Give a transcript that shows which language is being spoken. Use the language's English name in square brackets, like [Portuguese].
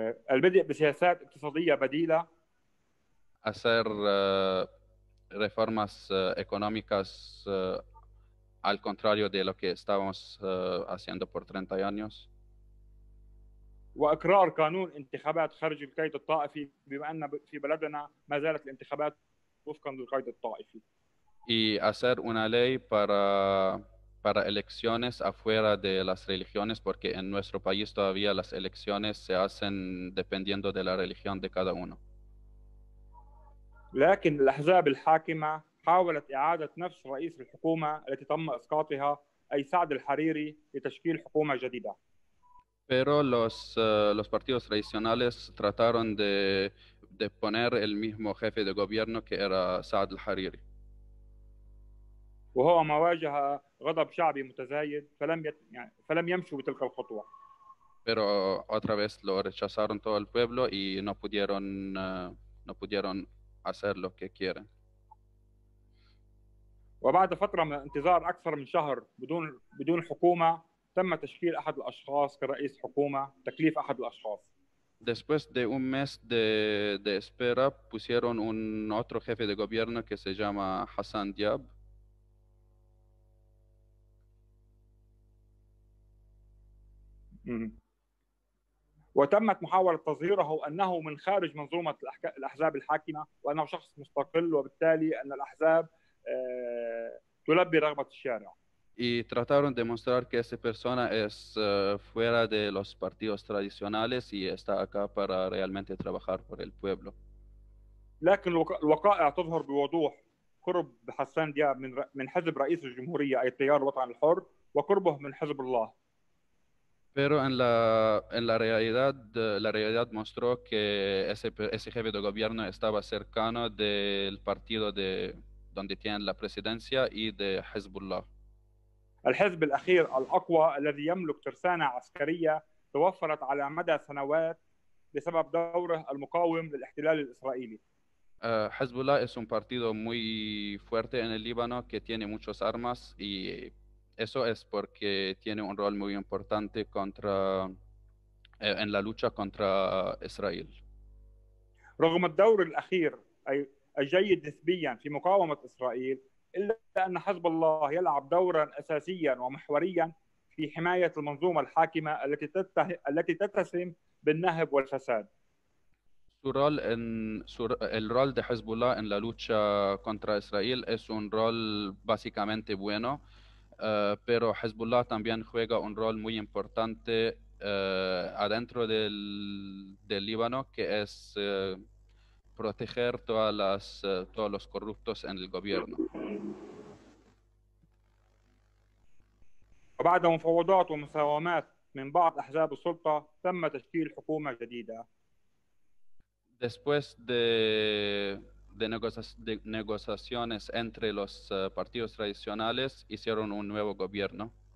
[Arabic] البدء بسياسات اقتصادية بديلة. [Spanish] Hacer reformas económicas al contrario de lo que estábamos haciendo por 30 años. [Arabic] وإقرار قانون انتخابات خارج القيد الطائفي بما أن في بلدنا ما زالت الانتخابات وفقاً للقيد الطائفي. [Spanish] Y hacer una ley para elecciones afuera de las religiones porque en nuestro país todavía las elecciones se hacen dependiendo de la religión de cada uno. [Arabic] لكن الأحزاب الحاكمة حاولت إعادة نفس رئيس الحكومة التي تم إسقاطها أي سعد الحريري لتشكيل حكومة جديدة. [Spanish] Pero los partidos tradicionales trataron de poner el mismo jefe de gobierno que era Saad al-Hariri. [Arabic] وهو ما واجه غضب شعبي متزايد فلم يمشوا بتلك الخطوة. [Spanish] Pero otra vez lo rechazaron todo el pueblo y no pudieron hacer lo que quieren. [Arabic] وبعد فترة من انتظار أكثر من شهر بدون حكومة تم تشكيل أحد الأشخاص كرئيس حكومة تكليف أحد الأشخاص. [Spanish] Después de un mes de espera pusieron un otro jefe de gobierno que se llama Hassan Diab. [Arabic] وتمت محاولة تظهيره أنه من خارج منظومة الأحزاب الحاكمة وأنه شخص مستقل وبالتالي أن الأحزاب تلبي رغبة الشارع. [Spanish] Y trataron de mostrar que esa persona es fuera de los partidos tradicionales y está acá para realmente trabajar por el pueblo. [Arabic] لكن الوقائع تظهر بوضوح قرب حسان دياب من حزب رئيس الجمهورية أي التيار الوطني الحر وقربه من حزب الله. [Spanish] Pero en la realidad mostró que ese jefe de gobierno estaba cercano del partido de donde tienen la presidencia y de Hezbollah. [Arabic] الحزب الأخير الأقوى الذي يملك ترسانة عسكرية توفرت على مدى سنوات بسبب دوره المقاوم للاحتلال الإسرائيلي. [Spanish] Hezbollah es un partido muy fuerte en el Líbano que tiene muchas armas y eso es porque tiene un rol muy importante en la lucha contra Israel. [Arabic] رغم الدور الأخير أي الجيد نسبياً في مقاومة إسرائيل إلا أن حزب الله يلعب دوراً أساسياً ومحورياً في حماية المنظومة الحاكمة التي تتسم بالنهب والفساد. [Spanish] El rol de Hezbollah en la lucha contra Israel es un rol básicamente bueno, pero Hezbollah también juega un rol muy importante adentro del Líbano, que es proteger todos los corruptos en el gobierno. [Arabic] وبعد مفاوضات ومساومات من بعض أحزاب السلطة تم تشكيل حكومة جديدة. [Spanish] Después de negociaciones entre los partidos tradicionales hicieron un nuevo gobierno.